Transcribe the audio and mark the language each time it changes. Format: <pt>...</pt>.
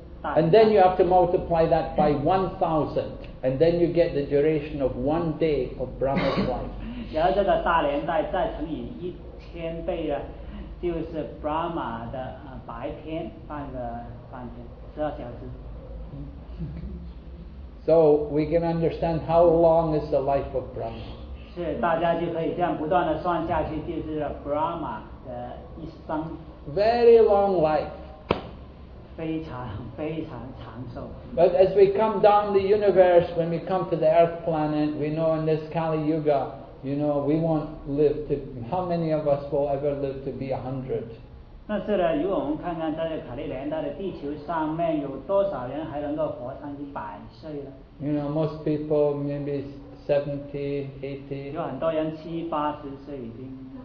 <en>And then you have to multiply that by 1,000, and then you get the duration of one day of Brahma's life.</en> <zh>然后这个大年代再乘以一千倍的，就是 Brahma 的白天半天十二小时。</zh> <en>So we can understand how long is the life of Brahma.</en> <zh>是，大家就可以这样不断的算下去，就是 Brahma 的一生。</zh> <en>Very long life.</en> <zh>非常非常长寿。</zh> <en>But as we come down the universe, when we come to the Earth planet, we know in this Kali Yuga, you know, we won't live to. How many of us will ever live to be 100?</en> <zh>那是的，如果我们看看在这卡利年代的地球上面，有多少人还能够活上一百岁呢？</zh> <en>You know, most people maybe 70, 80.</en> <zh>有很多人七八十岁已经。</zh>